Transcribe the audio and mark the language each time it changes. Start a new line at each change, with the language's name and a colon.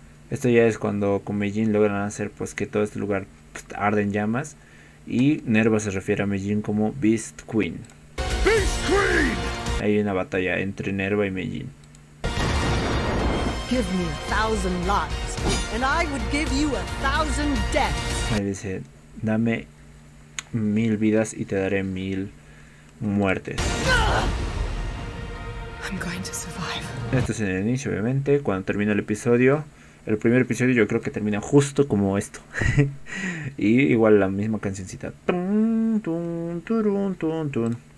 Spanish: Esto ya es cuando con Meijin logran hacer pues que todo este lugar arde en llamas. Y Nerva se refiere a Meijin como Beast Queen. ¡Beast Queen! Hay una batalla entre Nerva y Meijin.
English: Give me a thousand lives, and I would give you a thousand deaths.
Spanish: Ahí dice, dame 1000 vidas y te daré 1000 muertes.
English: I'm going to survive.
Spanish: Esto es en el inicio, obviamente. Cuando termina el episodio, el primer episodio yo creo que termina justo como esto. Y igual la misma cancioncita. Tum, tum, turun, tum, tum.